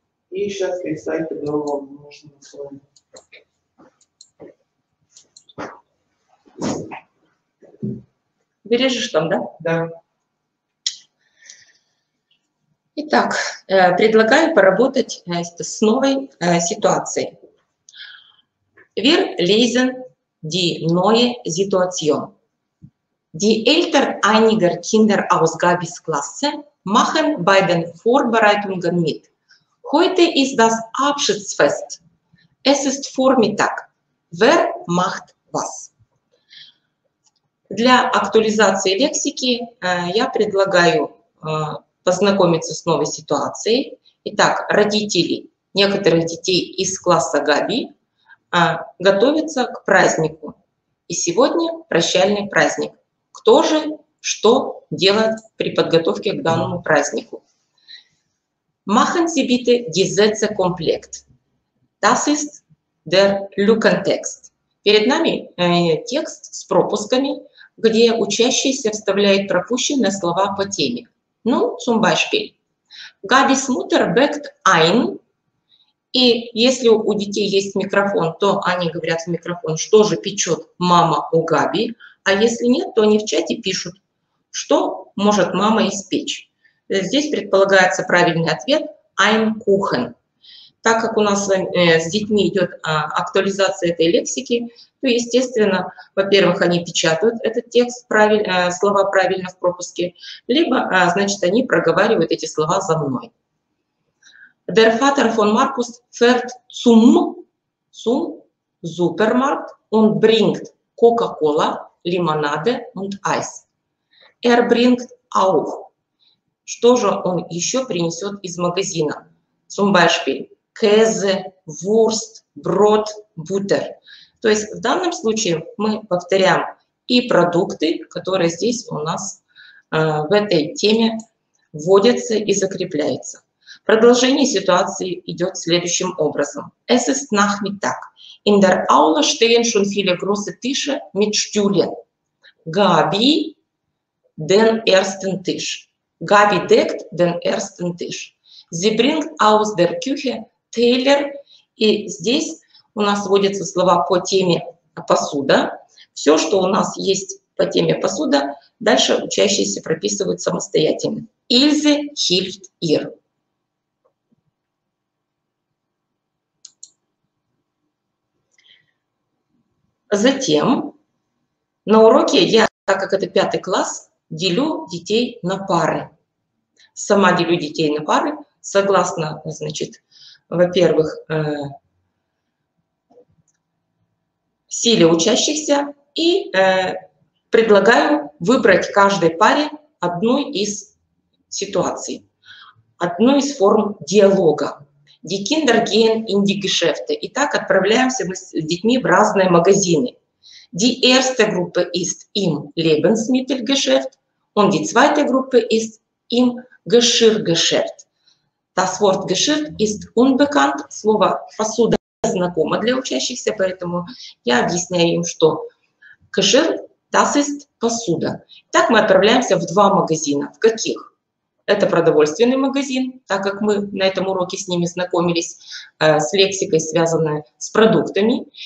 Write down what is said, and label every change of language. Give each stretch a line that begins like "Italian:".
Russian: И сейчас перестать другого нужно на своем. Бережешь там, да? Да. Итак, предлагаю поработать с новой ситуацией.
German: Wir lesen die neue Situation. Die Eltern einiger Kinder aus Gabis Klasse machen bei den Vorbereitungen mit. Heute ist das Abschiedsfest. Es ist Vormittag. Wer macht was?
Russian: Для актуализации лексики я предлагаю познакомиться с новой ситуацией. Итак, родители некоторых детей из класса Габи готовятся к празднику. И сегодня прощальный праздник. Кто же что делает при подготовке к данному празднику?
German: Machen Sie bitte die Sätze komplett. Das ist der Lückentext.
Russian: Перед нами текст с пропусками, где учащийся вставляет пропущенные слова по теме.
German: Ну, zum Beispiel. Gabis Mutter backt ein.
Russian: И если у детей есть микрофон, то они говорят в микрофон, что же печет мама у Габи. А если нет, то они в чате пишут, что может мама испечь. Здесь предполагается правильный ответ –
German: ein Kuchen.
Russian: Так как у нас с детьми идет актуализация этой лексики, то, естественно, во-первых, они печатают этот текст, слова правильно в пропуске, либо, значит, они проговаривают эти слова за мной.
German: Der Vater von Markus fährt zum Supermarkt und bringt Coca-Cola, Limonade und Eis. Er bringt auch.
Russian: Что же он еще принесет из магазина?
German: Zum Beispiel Käse, Wurst, Brot, Butter.
Russian: То есть в данном случае мы повторяем и продукты, которые здесь у нас в этой теме вводятся и закрепляются. Продолжение ситуации идет следующим образом.
German: Es ist Nachmittag. In der Aula stehen schon viele große Tische mit Stühlen. Gabi den ersten Tisch. Габи дект ден эрстен тиш. Зи бринг аус дер кюхе тейлер.
Russian: И здесь у нас вводятся слова по теме посуда. Все, что у нас есть по теме посуда, дальше учащиеся прописывают самостоятельно.
German: Ильзе хильфт ир.
Russian: Затем на уроке я, так как это пятый класс, делю детей на пары. Сама делю детей на пары согласно, значит, во-первых, силе учащихся и предлагаю выбрать каждой паре одну из ситуаций, одну из форм диалога.
German: Die Kinder gehen in die Geschäfte.
Russian: Итак, отправляемся мы с детьми в разные магазины.
German: Die erste Gruppe ist im Lebensmittelgeschäft und die zweite Gruppe ist im Geschirrgeschäft. Das Wort Geschirr ist unbekannt.
Russian: Слово «посуда» знакомо для учащихся, поэтому я объясняю им, что
German: Geschirr, das ist
Russian: посуда. Итак, мы отправляемся в два магазина. В каких? Это продовольственный магазин, так как мы на этом уроке с ними знакомились с лексикой, связанной с продуктами.